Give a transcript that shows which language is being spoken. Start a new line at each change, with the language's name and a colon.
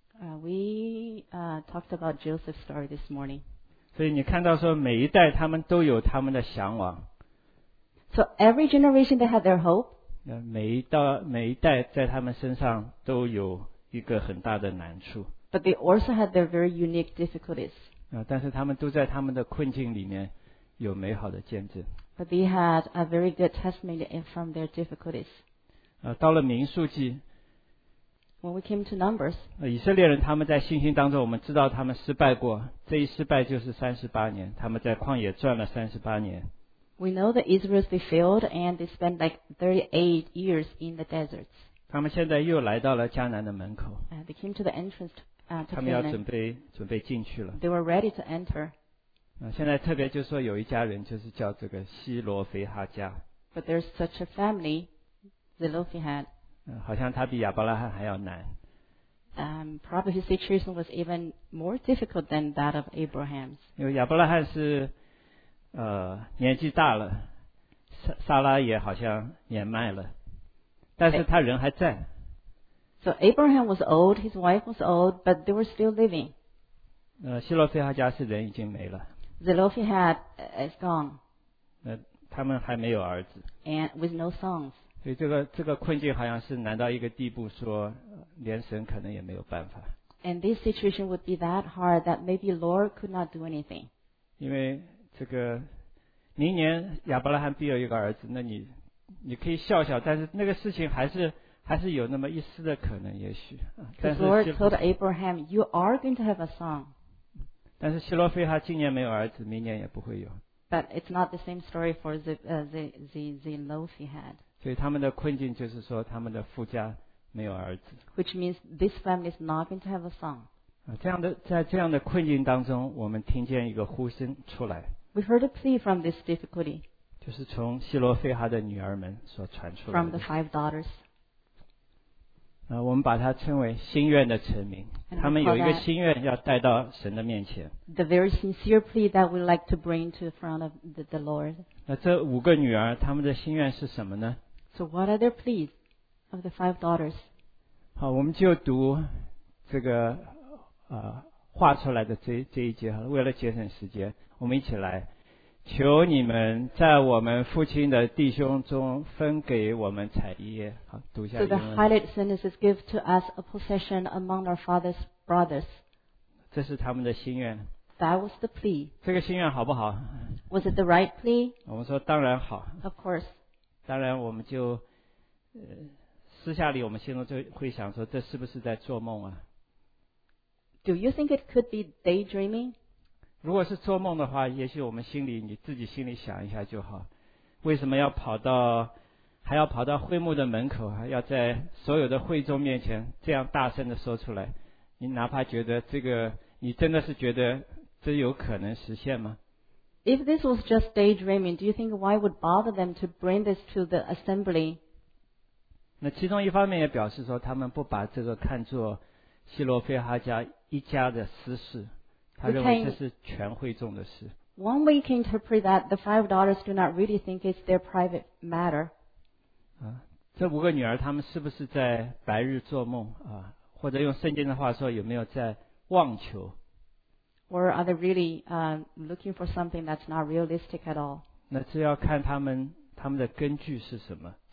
English: We talked about Joseph's story this morning.
Chinese: 所以你看到说每一代他们都有他们的向往。
English: So every generation they had their hope.
Chinese: 每一代在他们身上都有一个很大的难处。
English: But they also had their very unique difficulties.
Chinese: 但是他们都在他们的困境里面有美好的见证。
English: But they had a very good testimony from their difficulties.
Chinese: 到了民数记。
English: When we came to Numbers,
Chinese: 以色列人他们在信心当中，我们知道他们失败过，这一失败就是38年，他们在旷野转了38年。
English: We know the Israelites they failed and they spent like 38 years in the deserts.
Chinese: 他们现在又来到了迦南的门口。
English: They came to the entrance.
Chinese: 他们要准备进去了。
English: They were ready to enter.
Chinese: 现在特别就是说有一家人就是叫这个希罗菲哈家。
English: But there's such a family, Zelophehad.
Chinese: 好像他比亚伯拉罕还要难。
English: Probably his situation was even more difficult than that of Abraham's.
Chinese: 因为亚伯拉罕是年纪大了，撒拉也好像年迈了，但是他人还在。
English: So Abraham was old, his wife was old, but they were still living.
Chinese: 希罗菲哈家是人已经没了。
English: Zelophehad is gone.
Chinese: 他们还没有儿子。
English: And with no sons.
Chinese: 所以这个困境好像是难到一个地步，说连神可能也没有办法。
English: And this situation would be that hard that maybe Lord could not do anything.
Chinese: 因为这个明年亚伯拉罕必有一个儿子，那你可以笑笑，但是那个事情还是有那么一丝的可能，也许。
English: Because Lord told Abraham, "You are going to have a son."
Chinese: 但是希罗菲哈今年没有儿子，明年也不会有。
English: But it's not the same story for Zelophehad.
Chinese: 所以他们的困境就是说他们的夫家没有儿子。
English: Which means this family is not going to have a son.
Chinese: 在这样的困境当中，我们听见一个呼声出来。
English: We heard a plea from this difficulty.
Chinese: 就是从希罗菲哈的女儿们所传出来的。
English: From the five daughters.
Chinese: 我们把它称为心愿的臣民。他们有一个心愿要带到神的面前。
English: The very sincere plea that we like to bring to front of the Lord.
Chinese: 那这五个女儿他们的心愿是什么呢？
English: So what are their pleas of the five daughters?
Chinese: 好，我们就读这个画出来的这一节。为了节省时间，我们一起来，求你们在我们父亲的弟兄中分给我们产业。好，读一下。
English: So the highlight sentence is give to us a possession among our father's brothers.
Chinese: 这是他们的心愿。
English: That was the plea.
Chinese: 这个心愿好不好？
English: Was it the right plea?
Chinese: 我们说当然好。
English: Of course.
Chinese: 当然我们就私下里我们心中就会想说这是不是在做梦啊
English: Do you think it could be daydreaming?
Chinese: 如果是做梦的话也许我们心里你自己心里想一下就好为什么要跑到会幕的门口啊要在所有的会众面前这样大声的说出来你哪怕觉得这个你真的是觉得这有可能实现吗
English: If this was just daydreaming, do you think why would bother them to bring this to the assembly?
Chinese: 那其中一方面也表示说他们不把这个看作希罗菲哈家一家的私事他认为这是全会众的事
English: One way can interpret that the five daughters do not really think it's their private matter.
Chinese: 这五个女儿他们是不是在白日做梦啊？或者用圣经的话说有没有在妄求
English: Or are they really looking for something that's not realistic at all?
Chinese: 那是要看他们的根据是什么。